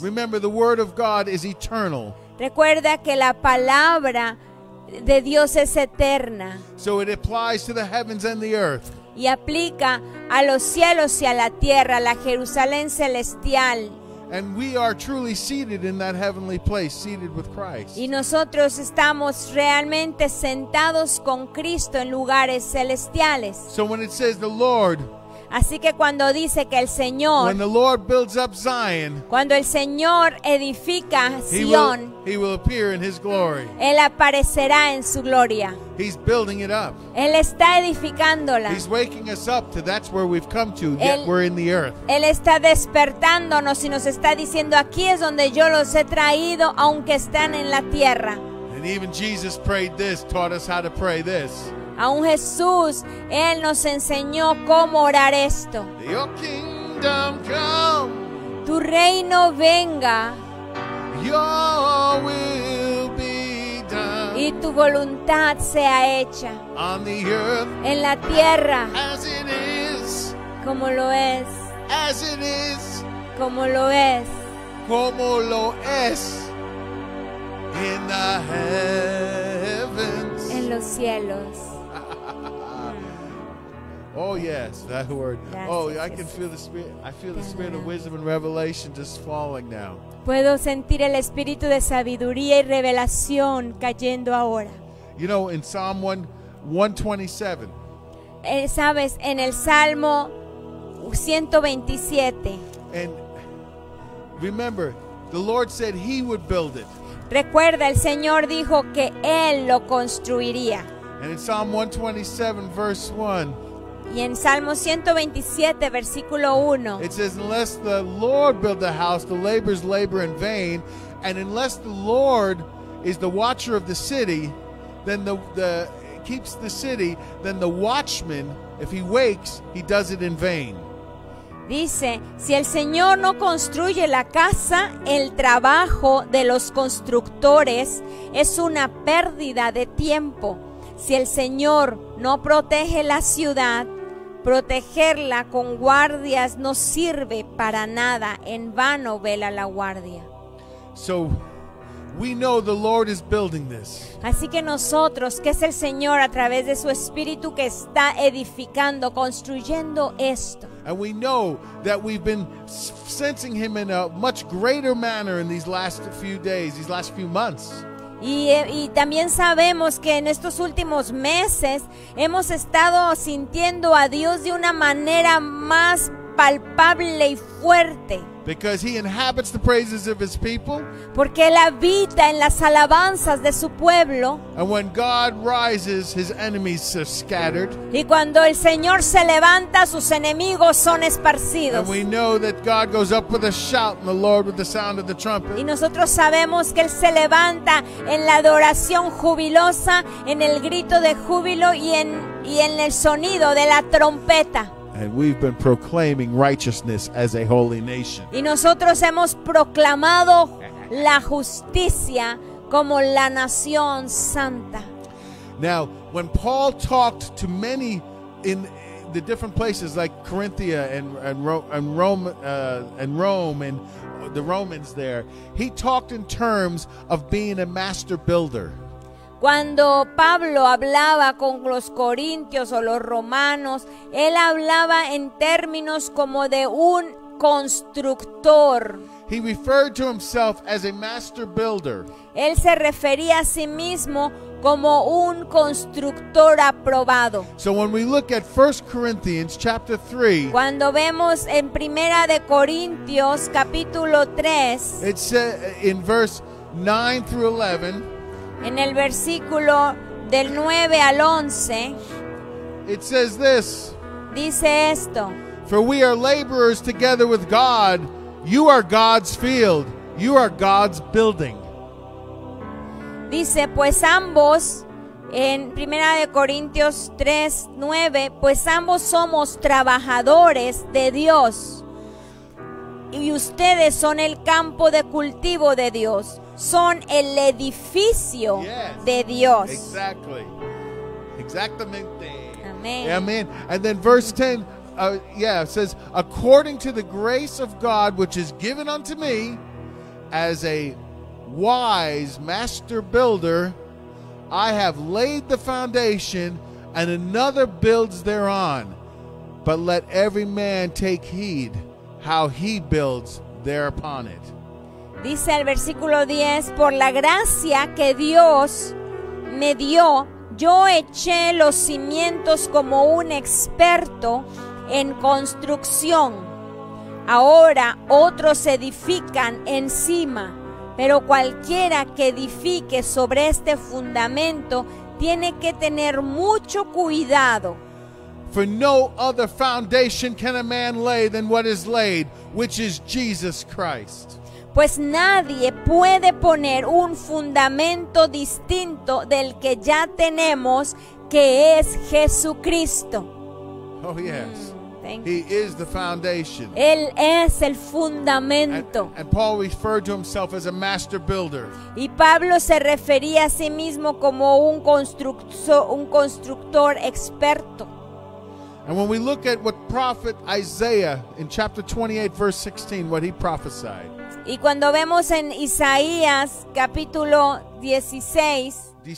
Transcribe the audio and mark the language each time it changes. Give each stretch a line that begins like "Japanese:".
English: Remember, the word of God is eternal.
Spanish: Recuerda que la palabra de Dios es eterna.
English: So it applies to the heavens and the earth.
Spanish: Y aplica a los cielos y a la tierra, a la Jerusalén celestial.
English: And we are truly seated in that heavenly place, seated with Christ.
Spanish: Y nosotros estamos realmente sentados con Cristo en lugares celestiales.
English: So when it says the Lord,
Spanish: así que cuando dice que el Señor,
English: when the Lord builds up Zion,
Spanish: cuando el Señor edifica Sion,
English: he will appear in His glory.
Spanish: Él aparecerá en su gloria.
English: He's building it up.
Spanish: Él está edificándola.
English: He's waking us up to that's where we've come to, yet we're in the earth.
Spanish: Él está despertándonos y nos está diciendo, aquí es donde yo los he traído, aunque están en la tierra.
English: And even Jesus prayed this, taught us how to pray this.
Spanish: Aún Jesús, Él nos enseñó cómo orar esto.
English: Your kingdom come.
Spanish: Tu reino venga.
English: Your will be done.
Spanish: Y tu voluntad sea hecha.
English: On the earth.
Spanish: En la tierra.
English: As it is.
Spanish: Como lo es.
English: As it is.
Spanish: Como lo es. Como lo es.
English: In the heavens.
Spanish: En los cielos.
English: Oh yes, that word. Gracias, oh, I can Jesús. Feel the spirit. I feel the spirit of wisdom and revelation just falling now.
Spanish: Puedo sentir el espíritu de sabiduría y revelación cayendo ahora.
English: You know, in Psalm 127.
Spanish: Sabes, en el Salmo 127.
English: And remember, the Lord said He would build it.
Spanish: Recuerda, el Señor dijo que Él lo construiría.
English: And in Psalm 127, verse 1.
Spanish: Y en Salmo 127, versículo 1.
English: It says, unless the Lord build the house, the laborers labor in vain. And unless the Lord is the watcher of the city, then the keeps the city, then the watchman, if he wakes, he does it in vain.
Spanish: Dice, si el Señor no construye la casa, el trabajo de los constructores es una pérdida de tiempo. Si el Señor no protege la ciudad, protegerla con guardias no sirve para nada. En vano vela la guardia.
English: So, we know the Lord is building this.
Spanish: Así que nosotros, que es el Señor a través de su Espíritu que está edificando, construyendo esto.
English: And we know that we've been sensing Him in a much greater manner in these last few days, these last few months.
Spanish: Y también sabemos que en estos últimos meses hemos estado sintiendo a Dios de una manera más palpable y fuerte.
English: Because He inhabits the praises of His people.
Spanish: Porque Él habita en las alabanzas de su pueblo.
English: And when God rises, His enemies are scattered.
Spanish: Y cuando el Señor se levanta, sus enemigos son esparcidos.
English: And we know that God goes up with a shout and the Lord with the sound of the trumpet.
Spanish: Y nosotros sabemos que Él se levanta en la adoración jubilosa, en el grito de júbilo y en el sonido de la trompeta.
English: And we've been proclaiming righteousness as a holy nation.
Spanish: Y nosotros hemos proclamado la justicia como la nación santa.
English: Now, when Paul talked to many in the different places like Corinthia and Rome and the Romans there, he talked in terms of being a master builder.
Spanish: Cuando Pablo hablaba con los corintios o los romanos, él hablaba en términos como de un constructor.
English: He referred to himself as a master builder.
Spanish: Él se refería a sí mismo como un constructor aprobado.
English: So when we look at 1 Corinthians chapter 3,
Spanish: cuando vemos en Primera de Corintios capítulo 3,
English: it says in verse 9 through 11,
Spanish: en el versículo del 9 al 11,
English: it says this.
Spanish: Dice esto.
English: For we are laborers together with God. You are God's field. You are God's building.
Spanish: Dice, pues ambos, en Primera de Corintios 3, 9, pues ambos somos trabajadores de Dios. Y ustedes son el campo de cultivo de Dios. Son el edificio de Dios.
English: Exactly. Exactamente. Amen.
Spanish: Amen.
English: And then verse 10, says, according to the grace of God, which is given unto me as a wise master builder, I have laid the foundation and another builds thereon. But let every man take heed how he builds thereupon it.
Spanish: Dice el versículo 10, por la gracia que Dios me dio, yo eché los cimientos como un experto en construcción. Ahora otros edifican encima, pero cualquiera que edifique sobre este fundamento tiene que tener mucho cuidado.
English: For no other foundation can a man lay than what is laid, which is Jesus Christ.
Spanish: Pues nadie puede poner un fundamento distinto del que ya tenemos, que es Jesucristo.
English: Oh, yes. Thank He you. Is the foundation.
Spanish: Él es el fundamento.
English: And Paul referred to himself as a master builder.
Spanish: Y Pablo se refería a sí mismo como un constructor experto.
English: And when we look at what prophet Isaiah in chapter 28, verse 16, what he prophesied.
Spanish: Y cuando vemos en Isaías capítulo 16,